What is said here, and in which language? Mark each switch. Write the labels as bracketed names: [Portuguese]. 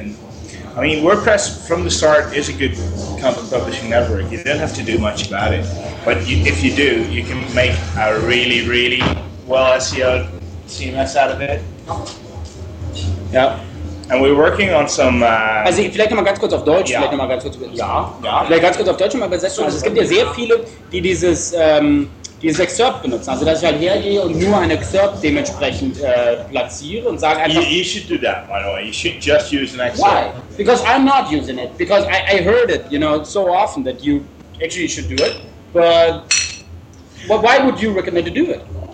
[English] And I mean, WordPress from the start is a good content publishing network. You don't have to do much about it, but if you do, you can make a really, really well SEO CMS out of it. Yeah. And we're working on some. [German] Also, vielleicht nochmal ganz kurz auf Deutsch. Yeah. Vielleicht nochmal ganz kurz. Ja, vielleicht ganz kurz auf Deutsch nochmal übersetzen. Also, es gibt ja sehr viele, die dieses Excerpt benutzen. Also, dass ich halt hergehe und nur ein Excerpt dementsprechend platziere und sage einfach. [English] You should do that, by the way. You should just use an Excerpt. Why? Because I'm not using it. Because I heard it, you know, so often that you actually should do it. But why would you recommend to do it?